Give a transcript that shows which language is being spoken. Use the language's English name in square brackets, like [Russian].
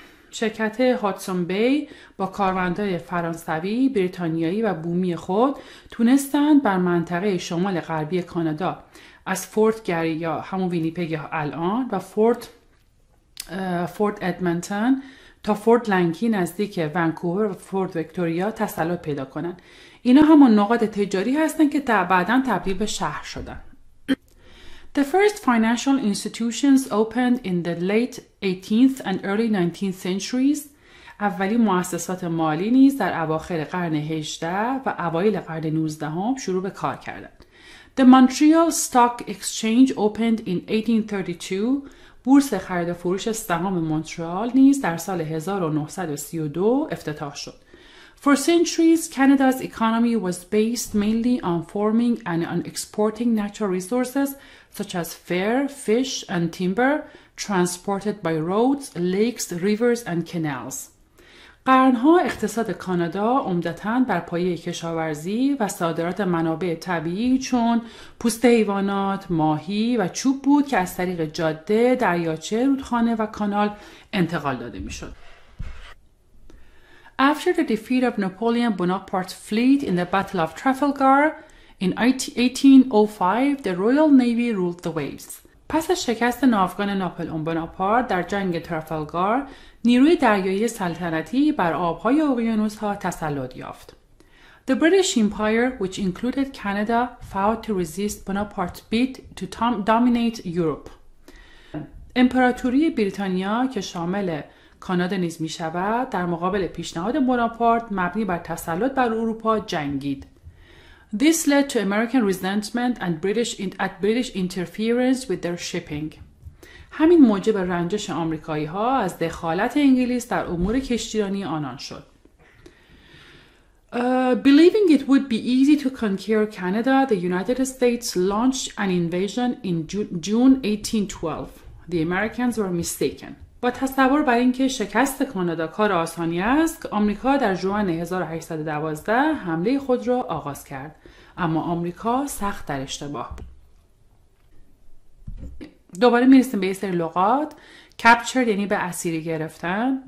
[Persian] شرکت هاتسون بی با کارمندان فرانسوی، بریتانیایی و بومی خود تونستند بر منطقه شمال غربی کانادا از فورت گری یا همون وینیپگ الان و فورت ادمنتون تا فورت لنکی نزدیک ونکوور و فورت ویکتوریا تسلط پیدا کنن. اینا همون نقاط تجاری هستن که بعداً تبدیل به شهر شدن. [English] The first financial institutions opened in the late 18th and early 19th centuries. [Persian] اولی مؤسسات مالی نیز در اواخر قرن 18 و اوایل قرن 19 هم شروع به کار کردن. [English] The Montreal Stock Exchange opened in 1832 [Persian] بورس خرید و فروش سهام مونترال نیز در سال 1932 افتتاح شد. [English] For centuries, Canada's economy was based mainly on farming and on exporting natural resources such as fur, fish, and timber transported by roads, lakes, rivers, and canals. [Persian] قرن‌ها اقتصاد کانادا عمدتاً بر پایه کشاورزی و صادرات منابع طبیعی چون پوست حیوانات، ماهی و چوب بود که از طریق جاده، دریاچه، رودخانه و کانال انتقال داده می‌شد. [English] After the defeat of Napoleon Bonaparte's fleet in the Battle of Trafalgar in 1805, the Royal Navy ruled the waves. [Persian] پس از شکست ناوگان ناپلئون بناپارت در جنگ ترافالگار، نیروی دریایی سلطنتی بر آب‌های اقیانوس‌ها تسلط یافت. [English] The British Empire, which included Canada, fought to resist Bonaparte's bid to dominate Europe. [Persian] امپراتوری بریتانیا که شامل کانادا نیز می شود در مقابل پیشنهاد بناپارت مبنی بر تسلط بر اروپا جنگید. [English] This led to American resentment and British interference with their shipping. [Persian] همین موجب رنجش آمریکایی ها از دخالت انگلیس در امور کشتیرانی آنان شد. [English] Believing it would be easy to conquer Canada, the United States launched an invasion in June 1812. The Americans were mistaken. [Persian] با تصور بر اینکه شکست کانادا کار آسانی است، آمریکا در جوان 1812 حمله خود را آغاز کرد. اما آمریکا سخت در اشتباه بود. دوباره می‌رسیم به یه سری لغات. Captured یعنی به اسیری گرفتن.